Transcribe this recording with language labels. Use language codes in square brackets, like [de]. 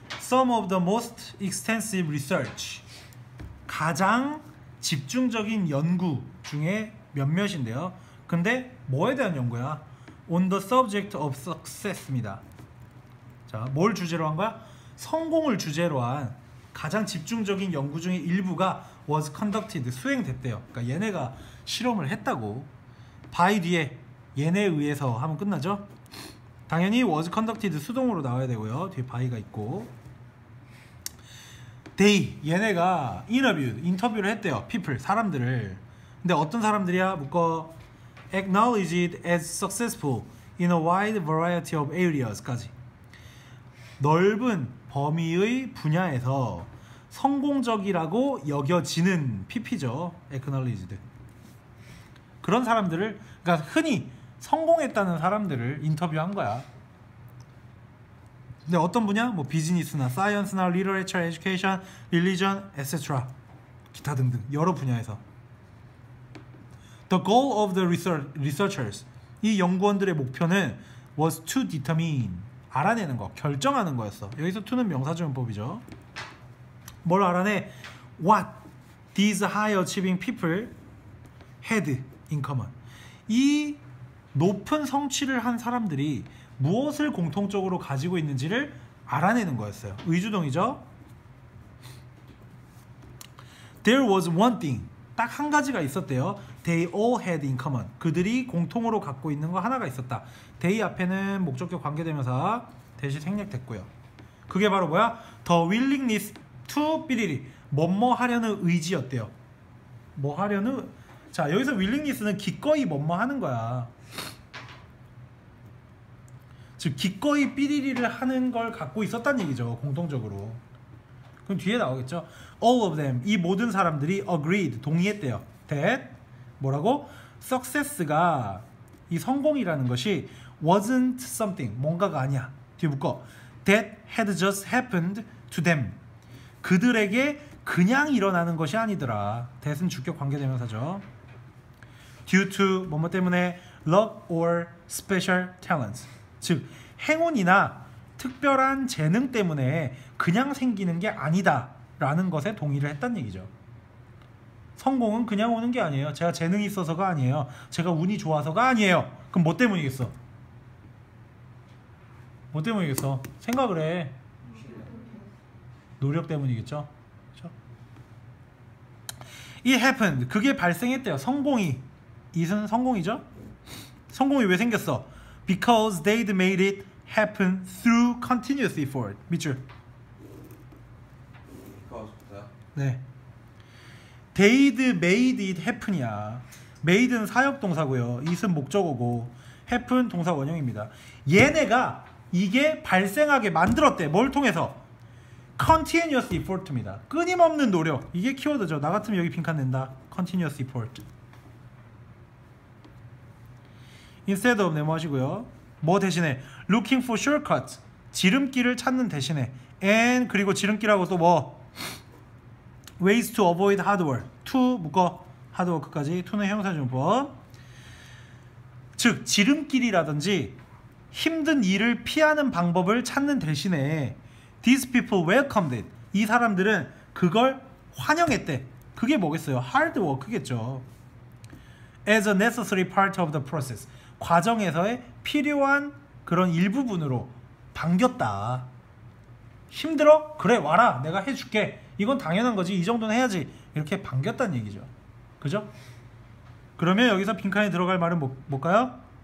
[en] some of the most extensive research. [ko] 가장 집중적인 연구 중에 몇몇인데요. 근데 뭐에 대한 연구야? [en] On the subject of success입니다. [ko] 자, 뭘 주제로 한 거야? 성공을 주제로 한 가장 집중적인 연구 중에 일부가 [en] was conducted, [ko] 수행됐대요. 그러니까 얘네가 실험을 했다고. by 뒤에 얘네에 의해서 하면 끝나죠? 당연히 [en] was conducted [ko] 수동으로 나와야 되고요. 뒤에 by가 있고. they, 얘네가 인터뷰를 했대요. people, 사람들을. 근데 어떤 사람들이야? 묶어. [en] acknowledged as successful in a wide variety of areas까지. [ko] 넓은 범위의 분야에서 성공적이라고 여겨지는 PP죠. [en] acknowledged. [ko] 그런 사람들을, 그러니까 흔히 성공했다는 사람들을 인터뷰한 거야. 근데 어떤 분야? 뭐 비즈니스나 사이언스나 리터레처, 에듀케이션, 릴리전, etc. 기타 등등 여러 분야에서. [en] The goal of the researchers, [ko] 이 연구원들의 목표는 [en] was to determine, [ko] 알아내는 거, 결정하는 거였어. 여기서 to는 명사주문법이죠. 뭘 알아내? [en] What these high-achieving people had in common. [ko] 이 높은 성취를 한 사람들이 무엇을 공통적으로 가지고 있는지를 알아내는 거였어요. 의주동이죠. [en] There was one thing. [ko] 딱 한 가지가 있었대요. [en] They all had in common. [ko] 그들이 공통으로 갖고 있는 거 하나가 있었다. They 앞에는 목적격 관계대명사 대시 생략됐고요. 그게 바로 뭐야? [en] The willingness to 삐리리. [ko] 뭐뭐 하려는 의지였대요. 뭐 하려는? 자, 여기서 willingness는 기꺼이 뭐뭐 하는 거야. 즉 기꺼이 삐리리를 하는 걸 갖고 있었단 얘기죠. 공통적으로. 그럼 뒤에 나오겠죠. [en] All of them, [ko] 이 모든 사람들이 [en] agreed, [ko] 동의했대요. That 뭐라고? Success가 이 성공이라는 것이 [en] wasn't something, [ko] 뭔가가 아니야. 뒤에 묶어. [en] That had just happened to them. [ko] 그들에게 그냥 일어나는 것이 아니더라. That은 주격 관계대명사죠. [en] Due to [ko] 뭐뭐 때문에 [en] luck or special talents. [ko] 즉 행운이나 특별한 재능 때문에 그냥 생기는 게 아니다 라는 것에 동의를 했단 얘기죠. 성공은 그냥 오는 게 아니에요. 제가 재능이 있어서가 아니에요. 제가 운이 좋아서가 아니에요. 그럼 뭐 때문이겠어? 뭐 때문이겠어? 생각을 해. 노력 때문이겠죠? 그렇죠? [en] It happened. [ko] 그게 발생했대요. 성공이. 이는 성공이죠? 성공이 왜 생겼어? [en] Because they'd made it happen through continuous effort. [ko] 밑줄. [en] Because. [ko] 네. [en] They'd made it happen이야. [ko] Made는 사역동사고요. It은 목적어고. Happen 동사 원형입니다. 얘네가 이게 발생하게 만들었대. 뭘 통해서? [en] Continuous effort입니다. [ko] 끊임없는 노력. 이게 키워드죠. 나 같으면 여기 빈칸 낸다. Continuous effort. Instead of 네모 하시고요. 뭐 대신에? [en] Looking for shortcuts. [ko] 지름길을 찾는 대신에. And 그리고 지름길하고 또 뭐? [en] Ways to avoid hard work. To [ko] 묶어. [en] Hard work까지. [ko] To는 형사주문법. 즉 지름길이라든지 힘든 일을 피하는 방법을 찾는 대신에 [en] These people welcomed it. [ko] 이 사람들은 그걸 환영했대. 그게 뭐겠어요? [en] Hard work겠죠. As a necessary part of the process. [ko] 과정에서의 필요한 그런 일부분으로 반겼다. 힘들어? 그래 와라 내가 해줄게. 이건 당연한 거지. 이 정도는 해야지. 이렇게 반겼다는 얘기죠. 그죠? 그러면 여기서 빈칸에 들어갈 말은 뭘까요?